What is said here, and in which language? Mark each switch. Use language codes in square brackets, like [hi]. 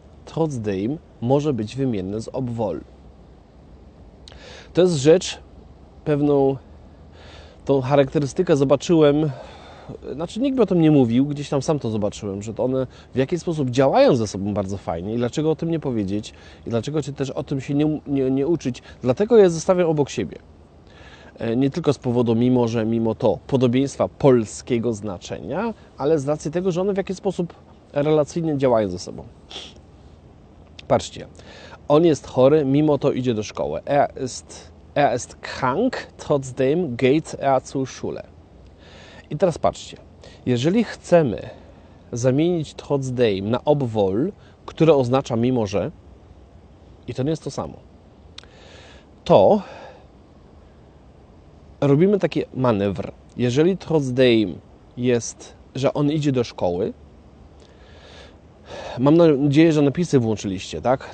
[pl] Todsdame może być wymienne z Obwol. To jest rzecz, pewną tą charakterystykę zobaczyłem, znaczy nikt mi o tym nie mówił, gdzieś tam sam to zobaczyłem, że to one w jakiś sposób działają ze sobą bardzo fajnie i dlaczego o tym nie powiedzieć i dlaczego cię też o tym się nie uczyć, dlatego je zostawiam obok siebie. Nie tylko z powodu, mimo że, mimo to, podobieństwa polskiego znaczenia, ale z racji tego, że one w jakiś sposób relacyjnie działają ze sobą. Patrzcie, on jest chory, mimo to idzie do szkoły. [de] Er ist krank, trotzdem geht zur Schule. [pl] I teraz patrzcie, jeżeli chcemy zamienić trotzdem na obwol, które oznacza mimo że, i to nie jest to samo, to robimy taki manewr. Jeżeli trotzdem jest, że on idzie do szkoły, mam nadzieję, że napisy włączyliście, tak?